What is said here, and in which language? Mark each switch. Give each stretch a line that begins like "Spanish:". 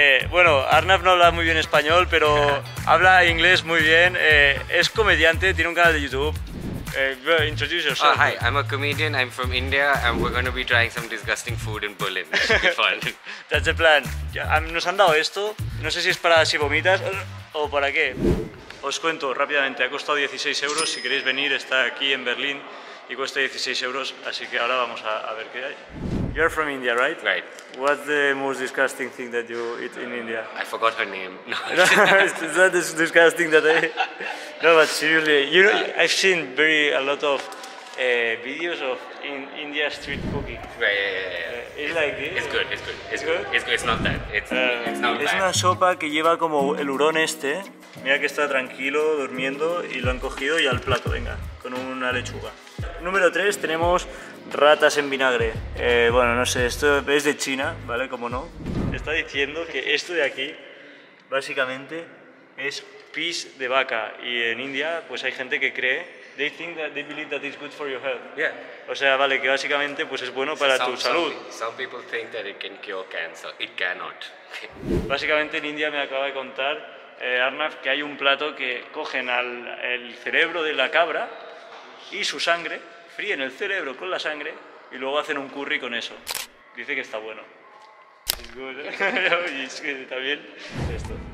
Spanish: Bueno, Arnav no habla muy bien español, pero habla inglés muy bien. Es comediante, tiene un canal de YouTube.
English: Introduce yourself. Oh, hi, I'm a comedian, I'm from India, and we're going to be trying some disgusting food in Berlin. Should be fun. That's the plan.
Spanish: Nos han dado esto, no sé si es para si vomitas o para qué. Os cuento rápidamente, ha costado 16 euros, si queréis venir, está aquí en Berlín y cuesta 16 euros, así que ahora vamos a ver qué hay.
English: You're from India, right? Right. What's the most disgusting thing that you eat in India? I forgot her name. No. Is that disgusting that I... No, but seriously, you know, I've seen a lot of videos of India street cooking. Right, yeah, yeah, yeah. It's like this. It's good, it's good. It's good? It's not that. It's not es bad.
Spanish: Una sopa que lleva como el hurón este. Mira que está tranquilo, durmiendo, y lo han cogido y al plato, venga, con una lechuga. Número 3 tenemos ratas en vinagre. Bueno, no sé, esto es de China, ¿vale? Como no. Está diciendo que esto de aquí, básicamente, es pis de vaca. Y en India, pues hay gente que cree.
English: They think that they believe that it's good for your health. Yeah.
Spanish: O sea, vale, que básicamente pues es bueno para tu salud.
English: Some people think that it can cure cancer. It cannot.
Spanish: Básicamente en India me acaba de contar Arnav que hay un plato que cogen el cerebro de la cabra y su sangre, fríen el cerebro con la sangre y luego hacen un curry con eso. Dice que está bueno. Es bueno. Y es que también esto.